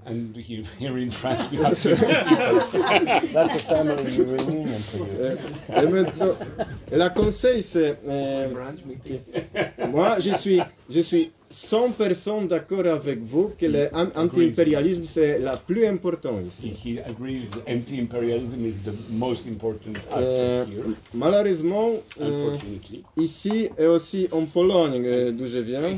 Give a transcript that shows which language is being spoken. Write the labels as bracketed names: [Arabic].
[English] And here in France, you have 50 people. That's a family reunion for you. [French] La conseil, c'est... [English] branch meeting. [French] Moi, je suis 100 personnes d'accord avec vous que l'anti-impérialisme, c'est la plus importante ici. [English] He agrees that anti-imperialism is the most important aspect here. [French] Malheureusement, ici et aussi en Pologne, d'où je viens.